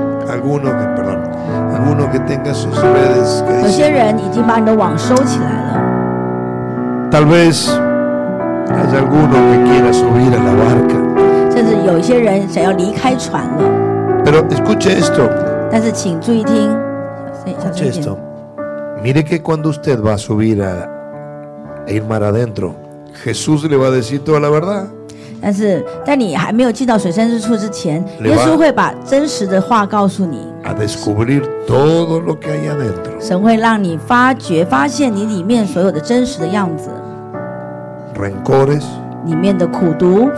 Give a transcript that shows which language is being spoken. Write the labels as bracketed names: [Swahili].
[Spanish] Alguno que, perdón, alguno que tenga sus redes. [Chinese] 有些人已经把你的网收起来了。 [Spanish] Tal vez hay alguno que quiera subir a la barca. [Chinese] 甚至有些人想要离开船了。 [Spanish] Pero escuche esto. [Chinese] 但是请注意听。 [Spanish] Escuche esto. Mire que cuando usted va a subir a e ir mar adentro, Jesús le va a decir toda la verdad. [Chinese] 但是在你还没有进到水深之处之前，耶稣会把真实的话告诉你。 [Spanish] A descubrir todo lo que hay adentro. [Chinese] 神会让你发觉、发现你里面所有的真实的样子。 [Spanish] Rencores. [Chinese] 里面的苦毒。